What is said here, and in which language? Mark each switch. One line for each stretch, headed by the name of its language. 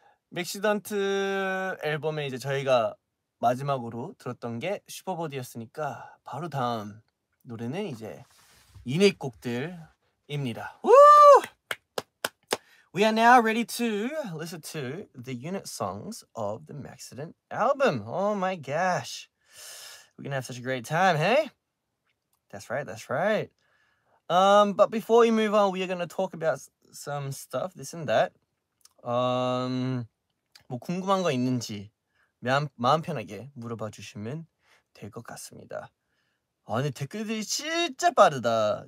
Korean: 맥시던트 앨범에 이제 저희가 마지막으로 들었던 게 슈퍼보디였으니까 바로 다음 노래는 이제 이닉 곡들입니다.
English: We are now ready to listen to the unit songs of the Maxident album. Oh my gosh. We're gonna have such a great time, hey? That's right, that's right. But before we move on, we are going to talk about some stuff, this and that.
Korean: 뭐 궁금한 거 있는지 마음 편하게 물어봐 주시면 될 것 같습니다. 아니 댓글들이 진짜 빠르다.